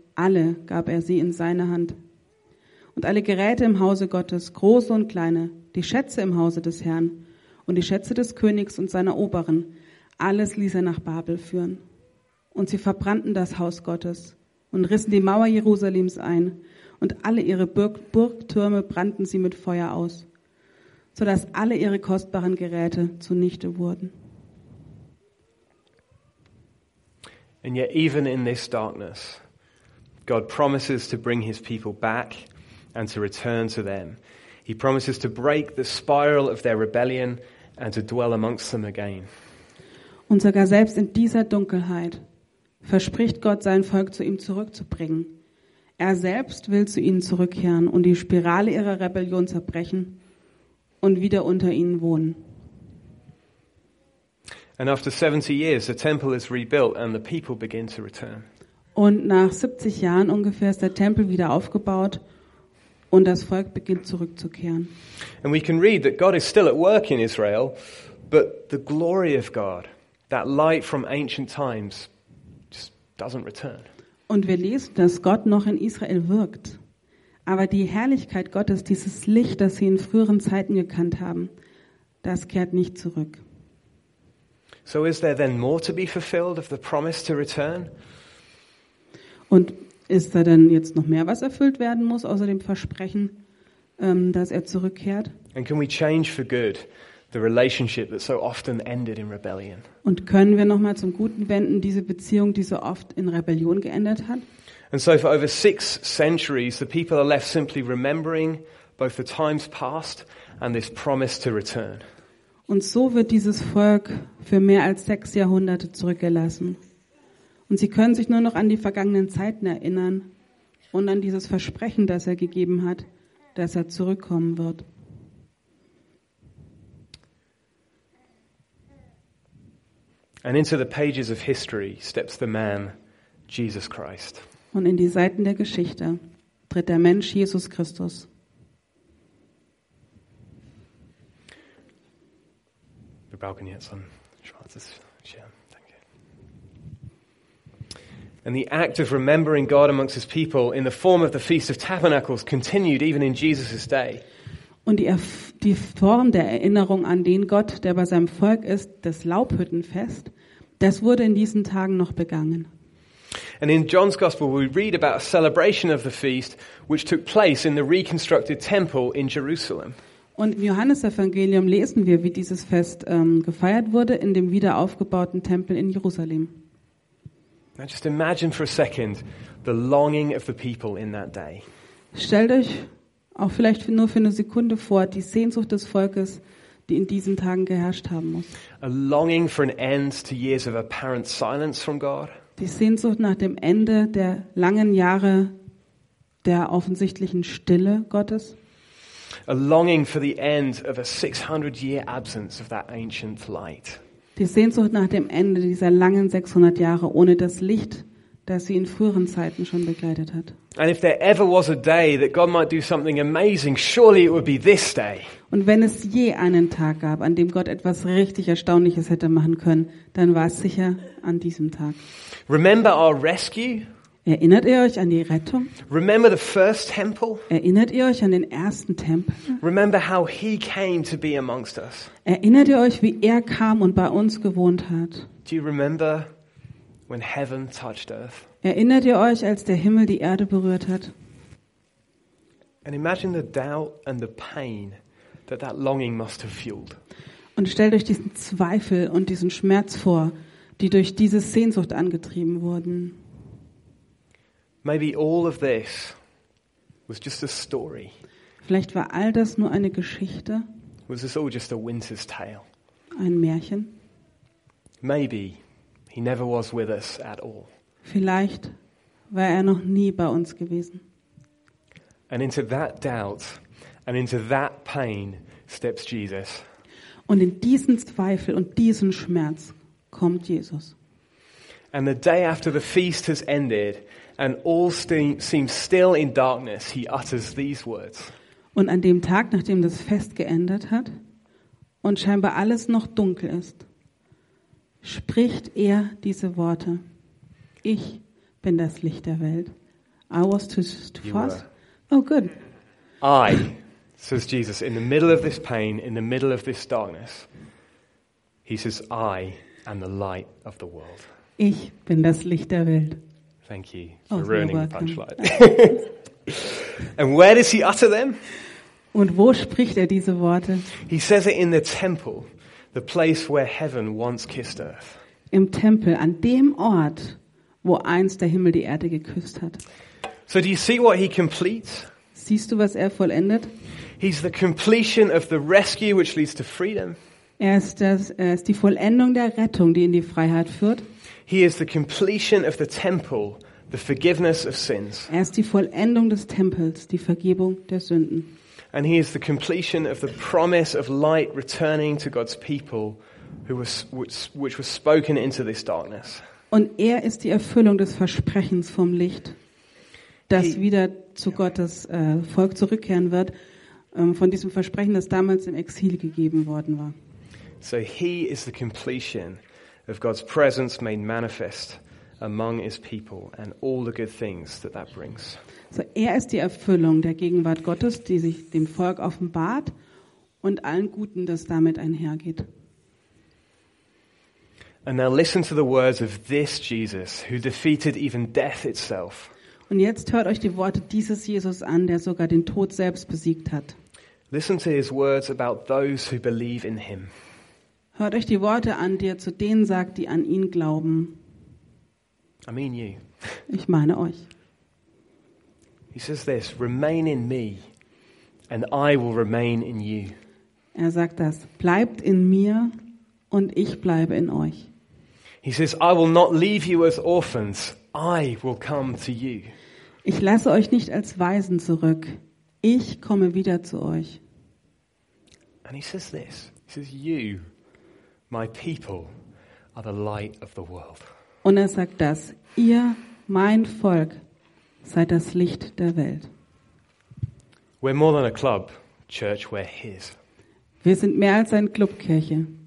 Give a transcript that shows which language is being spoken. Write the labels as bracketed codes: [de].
[de] Alle gab er sie in seine Hand. Und alle Geräte im Hause Gottes, große und kleine, die Schätze im Hause des Herrn und die Schätze des Königs und seiner Oberen, alles ließ er nach Babel führen. Und sie verbrannten das Haus Gottes und rissen die Mauer Jerusalems ein, und alle ihre Burgtürme brannten sie mit Feuer aus, sodass alle ihre kostbaren Geräte zunichte wurden. [en] And yet even in this darkness, God promises to bring his people back and to return to them. He promises to break the spiral of their rebellion and to dwell amongst them again. [de] Und sogar selbst in dieser Dunkelheit verspricht Gott, sein Volk zu ihm zurückzubringen. Er selbst will zu ihnen zurückkehren und die Spirale ihrer Rebellion zerbrechen und wieder unter ihnen wohnen. [en] And after 70 years the temple is rebuilt and the people begin to return. [de] Und nach 70 Jahren ungefähr ist der Tempel wieder aufgebaut und das Volk beginnt zurückzukehren. [en] And we can read that God is still at work in Israel, but the glory of God, that light from ancient times, just doesn't return. [de] Und wir lesen, dass Gott noch in Israel wirkt. Aber die Herrlichkeit Gottes, dieses Licht, das sie in früheren Zeiten gekannt haben, das kehrt nicht zurück. [en] So is there then more to be fulfilled of the promise to return? [de] Und ist da denn jetzt noch mehr, was erfüllt werden muss, außer dem Versprechen, dass er zurückkehrt? [en] And can we change for good the relationship that so often ended in rebellion? [de] Und können wir noch mal zum Guten wenden diese Beziehung, die so oft in Rebellion geendet hat? [en] And so for over 6 centuries the people are left simply remembering both the times past and this promise to return. [de] Und so wird dieses Volk für mehr als 6 Jahrhunderte zurückgelassen. Und sie können sich nur noch an die vergangenen Zeiten erinnern und an dieses Versprechen, das er gegeben hat, dass er zurückkommen wird. [en] And into the pages of history steps the man, Jesus Christ. [de] Und in die Seiten der Geschichte tritt der Mensch Jesus Christus. [en] Balcony, it's on Schwarz's chair. Thank you. And the act of remembering God amongst his people in the form of the Feast of Tabernacles continued even in Jesus' day. [de] Und die Form der Erinnerung an den Gott, der bei seinem Volk ist, das Laubhüttenfest, das wurde in diesen Tagen noch begangen. [en] And in John's Gospel, we read about a celebration of the feast, which took place in the reconstructed temple in Jerusalem. [de] Und im Johannesevangelium lesen wir, wie dieses Fest gefeiert wurde in dem wiederaufgebauten Tempel in Jerusalem. [en] Now just imagine for a second the longing of the people in that day. [de] Stellt euch auch vielleicht nur für eine Sekunde vor die Sehnsucht des Volkes, die in diesen Tagen geherrscht haben muss. [en] A longing for an end to years of apparent silence from God. [de] Die Sehnsucht nach dem Ende der langen Jahre der offensichtlichen Stille Gottes. [en] A longing for the end of a 600-year absence of that ancient light. [de] Die Sehnsucht nach dem Ende dieser langen 600 Jahre ohne das Licht, das sie in früheren Zeiten schon begleitet hat. [en] And if there ever was a day that God might do something amazing, surely it would be this day. [de] Und wenn es je einen Tag gab, an dem Gott etwas richtig Erstaunliches hätte machen können, dann war es sicher an diesem Tag. [en] Remember our rescue? [de] Erinnert ihr euch an die Rettung? [en] Remember the first temple? [de] Erinnert ihr euch an den ersten Tempel? [en] Remember how he came to be amongst us? [de] Erinnert ihr euch, wie er kam und bei uns gewohnt hat? [en] Do you remember when heaven touched earth? [de] Erinnert ihr euch, als der Himmel die Erde berührt hat? [en] And imagine the doubt and the pain that that longing must have fueled. [de] Und stellt euch diesen Zweifel und diesen Schmerz vor, die durch diese Sehnsucht angetrieben wurden. [en] Maybe all of this was just a story. [de] Vielleicht war all das nur eine Geschichte. [en] Was this all just a winter's tale? [de] Ein Märchen. [en] Maybe he never was with us at all. [de] Vielleicht war er noch nie bei uns gewesen. [en] And into that doubt and into that pain steps Jesus. [de] Und in diesen Zweifel und diesen Schmerz kommt Jesus. [en] And the day after the feast has ended, and all seems still in darkness, he utters these words. [de] Und an dem Tag, nachdem das Fest geendet hat und scheinbar alles noch dunkel ist, spricht er diese Worte. Ich bin das Licht der Welt. [en] I was too fast. Oh, good. I, says Jesus, in the middle of this pain, in the middle of this darkness, he says, I am the light of the world. [de] Ich bin das Licht der Welt. [en] Thank you for ruining the punchline. And where does he utter them? [de] Und wo spricht er diese Worte? [en] He says it in the temple, the place where heaven once kissed earth. [de] Im Tempel, an dem Ort, wo einst der Himmel die Erde geküsst hat. [en] So do you see what he completes? [de] Siehst du, was er vollendet? [en] He's the completion of the rescue which leads to freedom. [de] Er ist die Vollendung der Rettung, die in die Freiheit führt. [en] He is the completion of the temple, the forgiveness of sins. [de] Er ist die Vollendung des Tempels, die Vergebung der Sünden. [en] And he is the completion of the promise of light returning to God's people, which was spoken into this darkness. [de] Und er ist die Erfüllung des Versprechens vom Licht, das wieder zu Gottes Volk zurückkehren wird, von diesem Versprechen, das damals im Exil gegeben worden war. [en] So he is the completion of God's presence made manifest among his people and all the good things that that brings. [de] So er ist die Erfüllung der Gegenwart Gottes, die sich dem Volk offenbart und allen Guten, das damit einhergeht. [en] And now listen to the words of this Jesus, who defeated even death itself. [de] Und jetzt hört euch die Worte dieses Jesus an, der sogar den Tod selbst besiegt hat. [en] Listen to his words about those who believe in him. [de] Hört euch die Worte an, die er zu denen sagt, die an ihn glauben. [en] I mean you. [de] Ich meine euch. [en] He says this, remain in me and I will remain in you. [de] Er sagt das, bleibt in mir und ich bleibe in euch. [en] He says, I will not leave you as orphans, I will come to you. [de] Ich lasse euch nicht als Waisen zurück, ich komme wieder zu euch. [en] And he says this, he says, you, my people, are the light of the world. [de] Und er sagt das, ihr, mein Volk, seid das Licht der Welt. [en] We're more than a club, church, we're his. [de] Wir sind mehr als ein Club, Kirche.